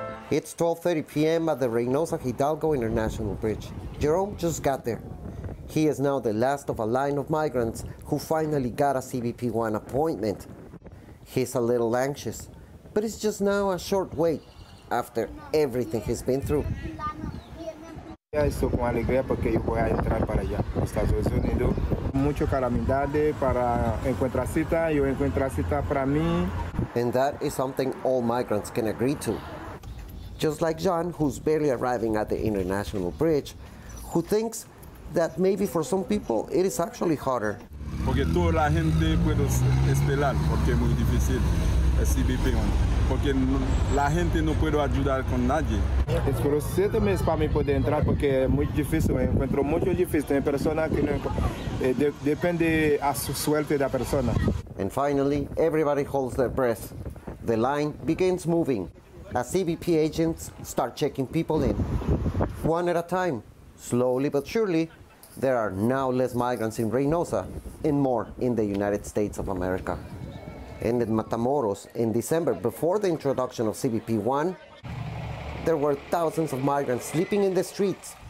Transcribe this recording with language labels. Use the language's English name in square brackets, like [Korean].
[English] It's 12:30 p.m. at the Reynosa Hidalgo International Bridge. Jerome just got there. He is now the last of a line of migrants who finally got a CBP One appointment. He's a little anxious, but it's just now a short wait after everything he's been through. [Spanish] Estoy con alegría porque yo voy a entrar para allá, Estados Unidos. Mucho calamidades para encontrar cita, yo encontrar cita para mí. [English] And that is something all migrants can agree to. Just like John, who's barely arriving at the international bridge, who thinks that maybe for some people it is actually harder. [Spanish] Porque toda la gente puede esperar porque es muy difícil el CBP One. Porque la gente no puede ayudar con nadie. Espero 7 meses para mí poder entrar porque es muy difícil, me encuentro mucho difícil. Hay personas que no, depende a su suerte de la persona. [English] And finally, everybody holds their breath. The line begins moving as CBP agents start checking people in, one at a time. Slowly but surely, there are now less migrants in Reynosa and more in the United States of America. And in Matamoros, in December, before the introduction of CBP One, there were thousands of migrants sleeping in the streets.